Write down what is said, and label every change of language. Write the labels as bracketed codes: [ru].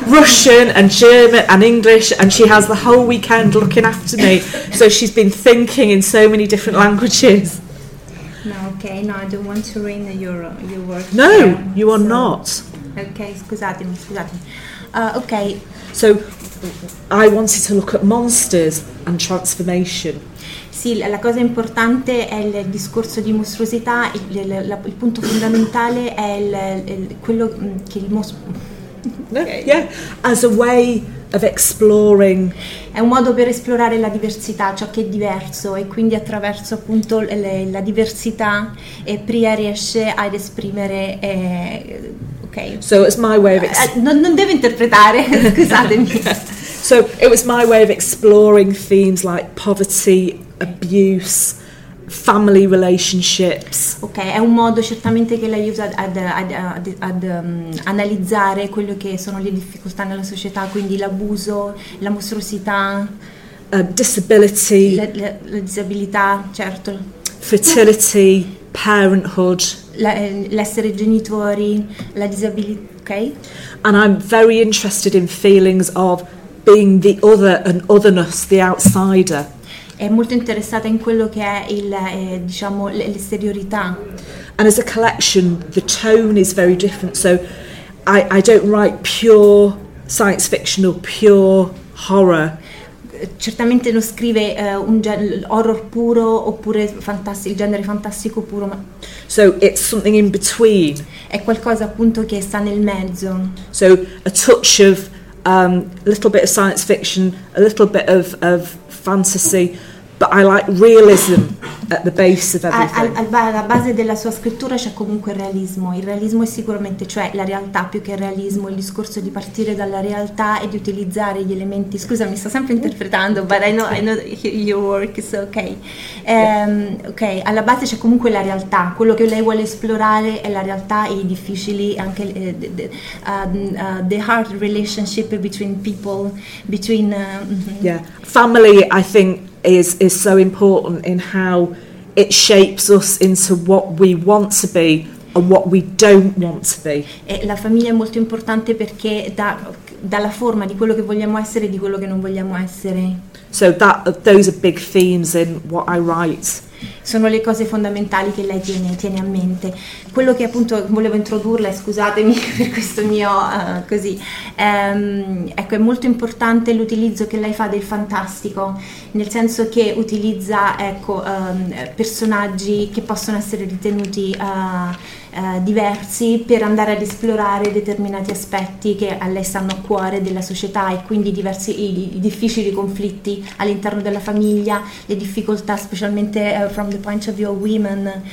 [en] Russian and German and English, and she has the whole weekend looking after me, so she's been thinking in so many different languages. No, okay, no, I don't want to ruin your work. No, you are so, not. [it] Okay, scusatemi. Okay. [en] So, I wanted to look at monsters and transformation. [it] Sì, la cosa importante è il discorso di mostruosità, il punto fondamentale è quello che il [en] as a way of exploring. [it] È un modo per esplorare la diversità, ciò che è diverso, e quindi attraverso appunto la diversità Priya riesce ad esprimere. [en] So it's my way of [it] non deve interpretare, scusatemi. [en] So it was my way of exploring themes like poverty, abuse, family relationships. [it] Ok, è un modo certamente che lei usa ad analizzare quello che sono le difficoltà nella società, quindi l'abuso, la mostruosità, [en] disability, [it] la disabilità, certo. [en] Fertility, parenthood. [it] L'essere genitori, la disabilità, ok. [en] And I'm very interested in feelings of being the other and otherness, the outsider. [it] è molto interessata in quello che è il diciamo l'esteriorità. [en] And as a collection, the tone is very different. So I don't write pure science fiction or pure horror. [it] Certamente non scrive un horror puro oppure il genere fantastico puro, ma [en] so it's something in between. [it] È qualcosa appunto che sta nel mezzo. [en] So a touch of a little bit of science fiction, a little bit of fantasy, but I like realism at the base of everything. [it] Alla base della sua scrittura c'è comunque il realismo. Il realismo è sicuramente, cioè la realtà più che il realismo, il discorso di partire dalla realtà e di utilizzare gli elementi. Scusa, mi sto sempre interpretando, [en] but I know your work is okay. [it] Okay, alla base c'è comunque la realtà. Quello che lei vuole esplorare è la realtà e i difficili, anche [en] the hard relationship between people, between yeah, family, I think is so important in how it shapes us into what we want to be and what we don't want to be. [it] E la famiglia è molto importante perché dà la forma di quello che vogliamo essere e di quello che non vogliamo essere. [en] So those are big themes in what I write. [it] Sono le cose fondamentali che lei tiene a mente. Quello che appunto volevo introdurla, scusatemi per questo mio così, ecco, è molto importante l'utilizzo che lei fa del fantastico, nel senso che utilizza, ecco, personaggi che possono essere ritenuti diversi per andare ad esplorare determinati aspetti che a lei stanno a cuore della società, e quindi diversi i difficili conflitti all'interno della famiglia, le difficoltà specialmente [en] from the point of view of women.